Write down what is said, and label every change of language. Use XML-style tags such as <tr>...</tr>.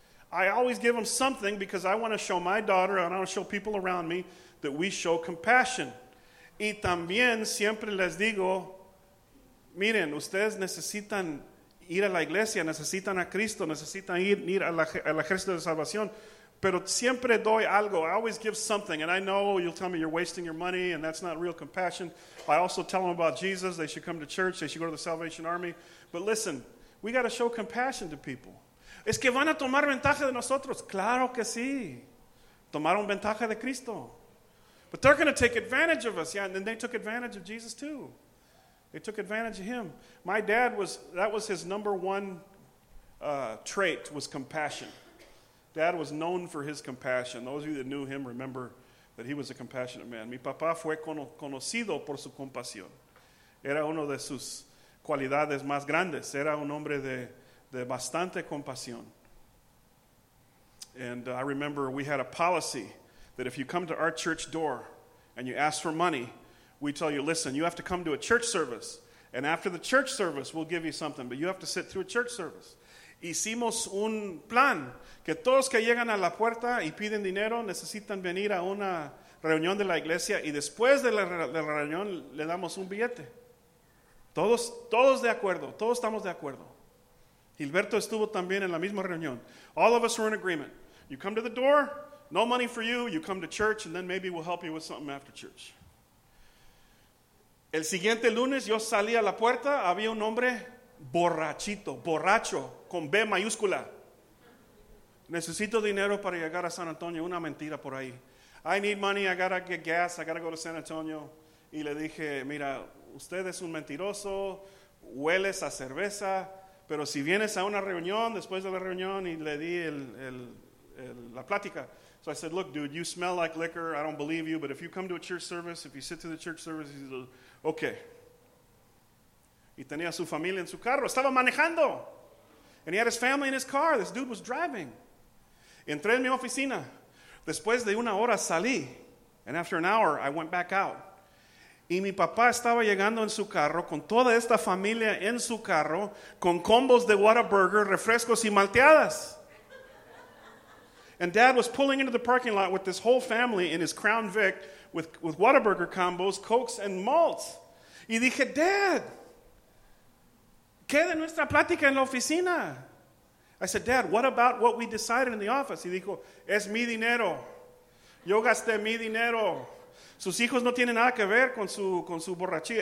<en>I always give them something because I want to show my daughter and I want to show people around me that we show compassion.</en> <es>Y también siempre les digo, miren, ustedes necesitan ir a la iglesia, necesitan a Cristo, necesitan ir al ejército de salvación. Pero siempre doy algo.</es> <en>I always give something. And I know you'll tell me you're wasting your money and that's not real compassion. I also tell them about Jesus. They should come to church. They should go to the Salvation Army. But listen, we got to show compassion to people.</en> <es>Es que van a tomar ventaja de nosotros. Claro que sí. Tomaron ventaja de Cristo.</es> <en>But they're going to take advantage of us. Yeah, and then they took advantage of Jesus too. They took advantage of him. My dad was, that was his number one trait, was compassion. Dad was known for his compassion. Those of you that knew him remember that he was a compassionate man.</en> <es>Mi papá fue conocido por su compasión. Era uno de sus cualidades más grandes. Era un hombre de bastante compasión.</es> <en>And I remember we had a policy that if you come to our church door and you ask for money, we tell you, listen, you have to come to a church service. And after the church service, we'll give you something. But you have to sit through a church service.</en> <es>Hicimos un plan que todos que llegan a la puerta y piden dinero necesitan venir a una reunión de la iglesia y después de la reunión le damos un billete. Todos de acuerdo, todos estamos de acuerdo. Gilberto estuvo también en la misma reunión.</es> <en>All of us were in agreement. You come to the door, no money for you, you come to church and then maybe we'll help you with something after church.</en> <es>El siguiente lunes yo salí a la puerta, había un hombre borrachito, borracho, con B mayúscula. Necesito dinero para llegar a San Antonio. Una mentira por ahí.</es> <en>I need money, I gotta get gas, I gotta go to San Antonio.</en> <es>Y le dije, mira, usted es un mentiroso, hueles a cerveza, pero si vienes a una reunión, después de la reunión, y le di la plática.</es> <en>So I said, look, dude, you smell like liquor, I don't believe you, but if you come to a church service, if you sit to the church service, he's like, okay.</en> <es>Y tenía su familia en su carro. Estaba manejando.</es> <en>And he had his family in his car. This dude was driving.</en> <es>Entré en mi oficina. Después de una hora salí.</es> <en>And after an hour, I went back out.</en> <es>Y mi papá estaba llegando en su carro con toda esta familia en su carro con combos de Whataburger, refrescos y malteadas.</es> <en>And dad was pulling into the parking lot with this whole family in his Crown Vic with Whataburger combos, Cokes, and malts.</en> <es>Y dije, Dad, ¿qué de nuestra plática en la oficina?</es> <en>I said, Dad, what about what we decided in the office?</en> <es>Y dijo, es mi dinero. Yo gasté mi dinero. Sus hijos no tienen nada que ver con su borrachía.</es>